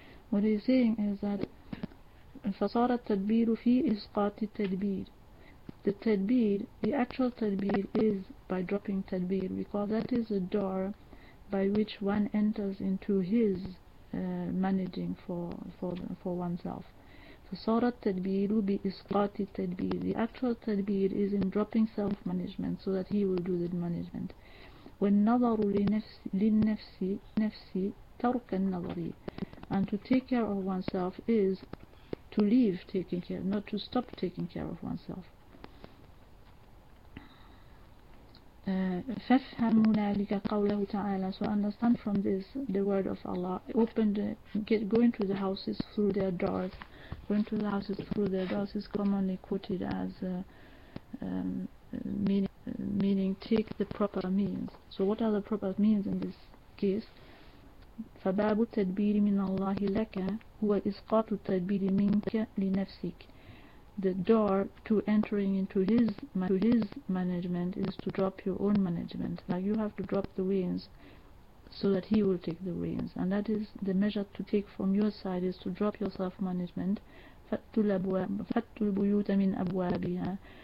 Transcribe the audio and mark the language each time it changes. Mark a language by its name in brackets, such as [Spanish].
[English] What he's saying is that [Arabic] فصار التدبير في إسقاط التدبير. [English] The tadbir, the actual tadbir, is by dropping tadbir, because that is a door by which one enters into his managing for oneself. [Arabic] فصار التدبير بإسقاط التدبير. [English] The actual tadbir is in dropping self-management so that he will do the management. [Arabic] والنظر للنفس ترك النظر. [English] And to take care of oneself is to leave taking care, not to stop taking care of oneself. [Arabic] فافهموا ذلك قوله تعالى. [English] So understand from this the word of Allah. Open the get go into the houses through their doors. Go into the houses through their doors is commonly quoted as meaning take the proper means. So what are the proper means in this case? [Arabic] فباب التدبير من الله لك هو إسقاط التدبير منك لنفسك. [English] The door to entering into his management is to drop your own management. Like you have to drop the reins so that he will take the reins. And that is the measure to take from your side is to drop your self-management. [Arabic] فَاتُّ الْبُيُوتَ مِنْ أَبْوَابِهَا.